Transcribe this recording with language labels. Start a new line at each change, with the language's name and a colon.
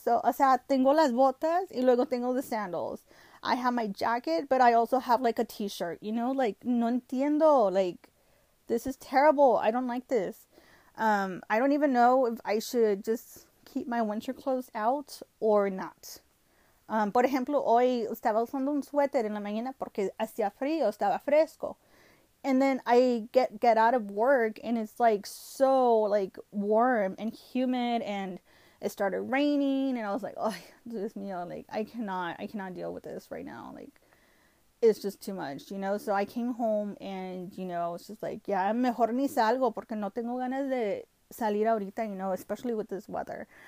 Spanish: So, o sea, tengo las botas y luego tengo
English: the sandals. I have my jacket, but I also have like a t-shirt, you know, like
Spanish: no entiendo.
English: Like, this is terrible. I don't like this. I don't even know if I should just keep my winter clothes out or not.
Spanish: Por ejemplo, hoy estaba usando un suéter en la mañana porque hacía frío, estaba fresco.
English: And then I get out of work and it's like so like warm and humid and it started raining. And I was like, oh,
Spanish: Dios mío,
English: like I cannot deal with this right now. Like, it's just too much, you know. So I came home and, you know, it's just like, yeah,
Spanish: mejor ni salgo porque no tengo ganas de salir ahorita,
English: you know, especially with this weather.